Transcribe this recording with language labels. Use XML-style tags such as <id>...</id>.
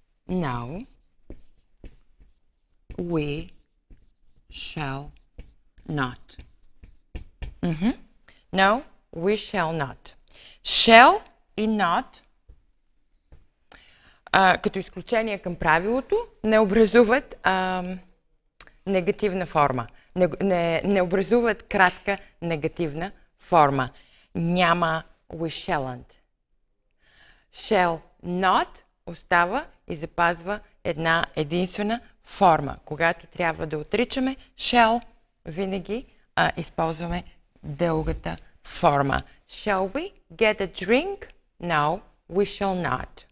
<en>No, we shall not. Mm-hmm. No, we shall not.</en> <bg>Shall и not, като изключение към правилото, не образуват негативна форма. Не образуват кратка негативна форма. Няма</bg> <en>we shalln't.</en> <bg>Shall not остава и запазва една единствена форма. Когато трябва да отричаме shall, винаги използваме дългата форма.</bg> <en>Shall we get a drink? No, we shall not.</en>